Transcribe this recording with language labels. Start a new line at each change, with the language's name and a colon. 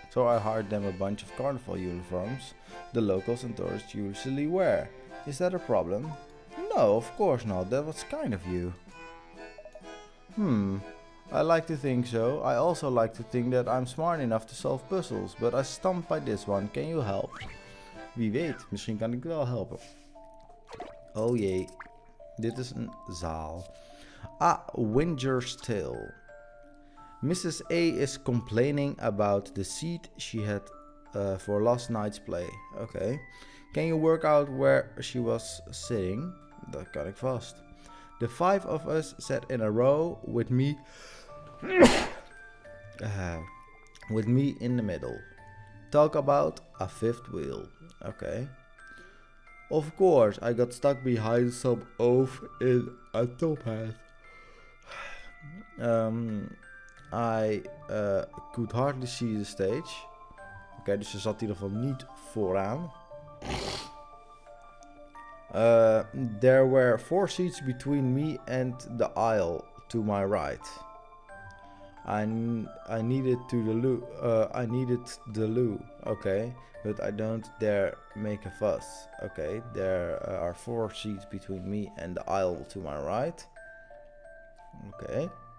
English: So I hired them a bunch of carnival uniforms the locals and tourists usually wear. Is that a problem? No, of course not. That was kind of you. I like to think so. I also like to think that I'm smart enough to solve puzzles, but I stumped by this one. Can you help?
Dutch: Wie weet, misschien kan ik wel helpen. Oh jee, dit is een zaal. Ah, Winger's Tale. Mrs.
English: A is complaining about the seat she had for last night's play. Okay. Can you work out where she was sitting?
Dutch: Dat kan ik vast.
English: The five of us sat in a row with me with me in the middle. Talk about a fifth wheel. Okay. Of course, I got stuck behind some oaf in a top hat. I could hardly see the stage.
Dutch: Okay, dus ze zat in ieder geval niet vooraan.
English: There were four seats between me and the aisle to my right. I needed the loo. Okay, but I don't dare make a fuss. Okay, there are four seats between me and the aisle to my right. Okay.